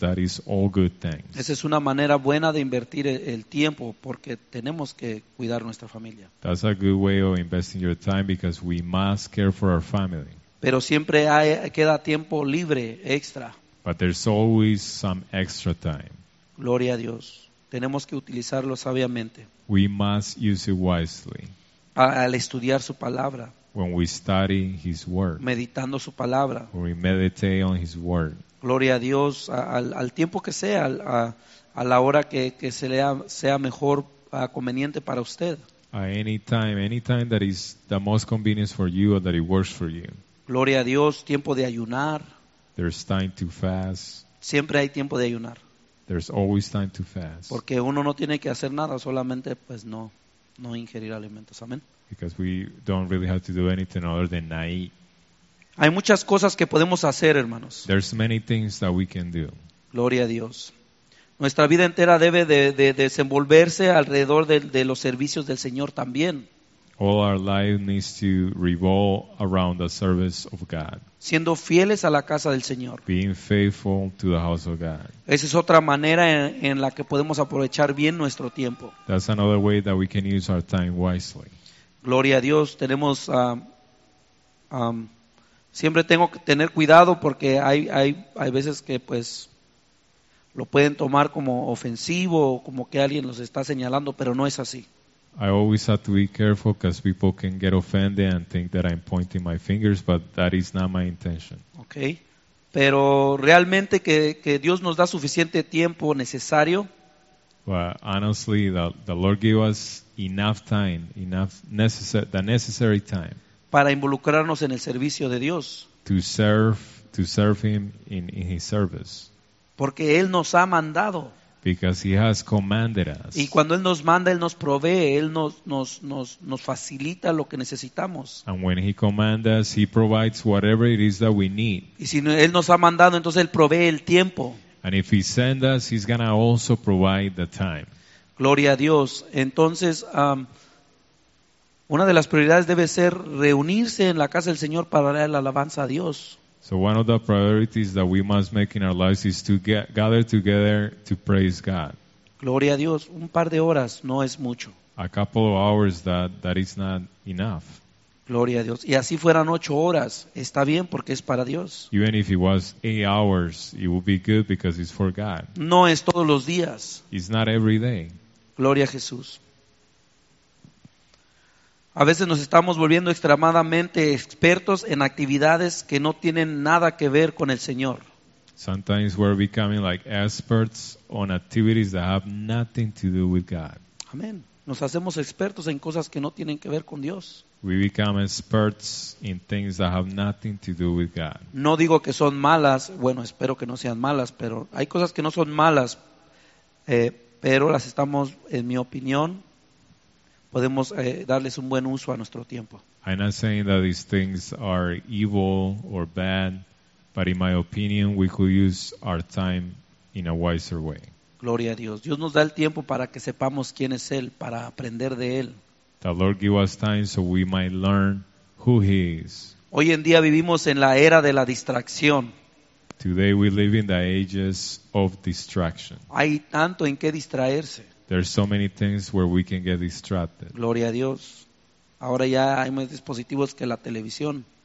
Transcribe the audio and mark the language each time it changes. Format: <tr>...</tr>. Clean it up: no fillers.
<en>That is all good things.</en> <es>Esa es una manera buena de invertir el tiempo porque tenemos que cuidar nuestra familia.</es> <en>That's a good way of investing your time because we must care for our family.</en> <es>Pero siempre queda tiempo libre, extra.</es> <en>But there's always some extra time.</en> <es>Gloria a Dios. Tenemos que utilizarlo sabiamente.</es> <en>We must use it wisely.</en> <es>Al estudiar su palabra.</es> <en>When we study his word.</en> <es>Meditando su palabra.</es> <en>When we meditate on his word.</en> <es>Gloria a Dios, al tiempo que sea, a la hora que se lea, sea mejor conveniente para usted.</es> <en>At any time that is the most convenient for you or that it works for you.</en> <es>Gloria a Dios, tiempo de ayunar.</es> <en>There's time to fast.</en> <es>Siempre hay tiempo de ayunar.</es> <en>There's always time to fast.</en> <es>Porque uno no tiene que hacer nada, solamente pues no ingerir alimentos. Amén.</es> <en>Because we don't really have to do anything other than not eat.</en> <es>Hay muchas cosas que podemos hacer, hermanos.</es> <en>There's many things that we can do.</en> <es>Gloria a Dios. Nuestra vida entera debe de desenvolverse alrededor de los servicios del Señor también.</es> <en>All our life needs to revolve around the service of God.</en> <es>Siendo fieles a la casa del Señor.</es> <en>Being faithful to the house of God.</en> <es>Esa es otra manera en la que podemos aprovechar bien nuestro tiempo.</es> <en>That's another way that we can use our time wisely.</en> <es>Gloria a Dios, tenemos siempre tengo que tener cuidado porque hay veces que pues lo pueden tomar como ofensivo o como que alguien los está señalando, pero no es así.</es> <en>I always have to be careful because people can get offended and think that I'm pointing my fingers, but that is not my intention. Okay.</en> <es>Pero realmente que Dios nos da suficiente tiempo necesario.</es> <en>Well, honestly, the Lord gave us enough time, the necessary time.</en> <es>Para involucrarnos en el servicio de Dios.</es> <en>To serve Him in His service.</en> <es>Porque Él nos ha mandado.</es> <en>Because he has commanded us.</en> <es>Y cuando él nos manda, él nos provee, él nos facilita lo que necesitamos.</es> <en>And when he commands us, he provides whatever it is that we need.</en> <es>Y si él nos ha mandado, entonces él provee el tiempo.</es> <en>And if he sends us, he's gonna also provide the time.</en> <es>Gloria a Dios. Entonces, una de las prioridades debe ser reunirse en la casa del Señor para dar la alabanza a Dios.</es> <en>So one of the priorities that we must make in our lives is to gather together to praise God.</en> <es>Gloria a Dios, un par de horas no es mucho.</es> <en>A couple of hours, that is not enough.</en> <es>Gloria a Dios. Y así fueran 8 horas, está bien porque es para Dios.</es> <en>Even if it was 8 hours, it would be good because it's for God.</en> <es>No es todos los días.</es> <en>It's not every day.</en> <es>Gloria a Jesús. A veces nos estamos volviendo extremadamente expertos en actividades que no tienen nada que ver con el Señor.</es> <en>Sometimes we're becoming like experts on activities that have nothing to do with God.</en> <es>Amén. Nos hacemos expertos en cosas que no tienen que ver con Dios.</es> <en>We become experts in things that have nothing to do with God.</en> <es>No digo que son malas, bueno, espero que no sean malas, pero hay cosas que no son malas, pero las estamos, en mi opinión, podemos darles un buen uso a nuestro tiempo.</es> <en>I'm not saying that these things are evil or bad, but in my opinion, we could use our time in a wiser way.</en> <es>Gloria a Dios. Dios nos da el tiempo para que sepamos quién es Él, para aprender de Él.</es> <en>The Lord give us time so we might learn who He is.</en> <es>Hoy en día vivimos en la era de la distracción.</es> <en>Today we live in the ages of distraction.</en> <es>Hay tanto en qué distraerse.</es> <en>There are so many things where we can get distracted.</en> <es>Gloria a Dios. Ahora ya hay más dispositivos que la televisión.</es>